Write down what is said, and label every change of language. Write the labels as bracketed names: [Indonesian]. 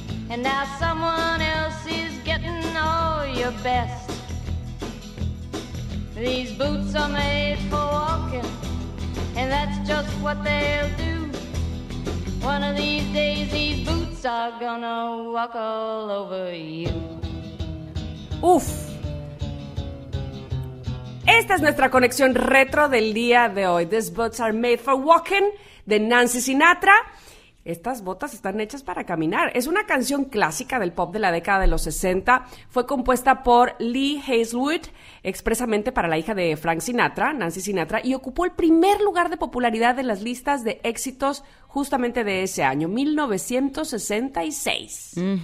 [English] And now someone else is getting all your best. These boots are made for walking, and that's just what they'll do. One of these days these boots are gonna walk all over you. Uf. [Spanish] Esta es nuestra conexión retro del día de hoy. These boots are made for walking, de Nancy Sinatra. Estas botas están hechas para caminar. Es una canción clásica del pop de la década de los 60. Fue compuesta por Lee Hazlewood, expresamente para la hija de Frank Sinatra, Nancy Sinatra, y ocupó el primer lugar de popularidad en las listas de éxitos justamente de ese año, 1966.